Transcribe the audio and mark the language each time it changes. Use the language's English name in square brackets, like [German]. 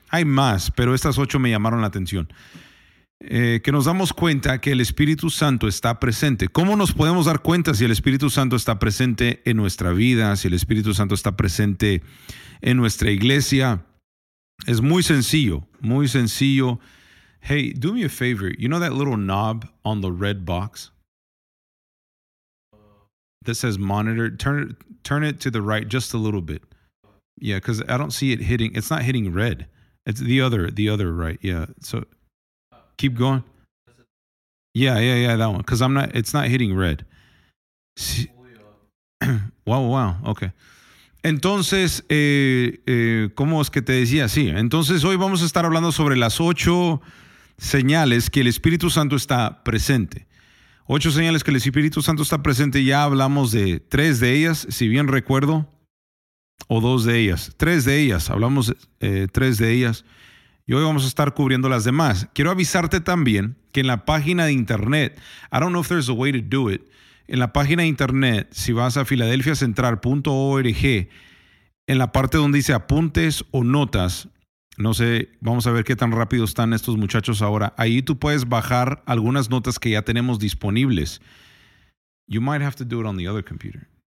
[Spanish] Hay más, pero estas 8 me llamaron la atención. Que nos damos cuenta que el Espíritu Santo está presente. ¿Cómo nos podemos dar cuenta si el Espíritu Santo está presente en nuestra vida, si el Espíritu Santo está presente en nuestra iglesia? Es muy sencillo, muy sencillo. [English] Hey, do me a favor. You know that little knob on the red box that says monitor? Turn it to the right just a little bit. Yeah, because I don't see it hitting. It's not hitting red. It's the other right. Yeah, so keep going. Yeah, that one. Because it's not hitting red. Wow, okay. [Spanish] Entonces, ¿cómo es que te decía? Sí, entonces hoy vamos a estar hablando sobre las 8 señales que el Espíritu Santo está presente. 8 señales que el Espíritu Santo está presente. Ya hablamos de 3 de ellas, si bien recuerdo, o 2 de ellas. 3 de ellas, hablamos 3 de ellas. Y hoy vamos a estar cubriendo las demás. Quiero avisarte también que en la página de internet, [English] I don't know if there's a way to do it, [Spanish] en la página de internet, si vas a filadelfiacentral.org, en la parte donde dice apuntes o notas, no sé, vamos a ver qué tan rápido están estos muchachos ahora. Ahí tú puedes bajar algunas notas que ya tenemos disponibles. [English] You might have to do it on the other computer.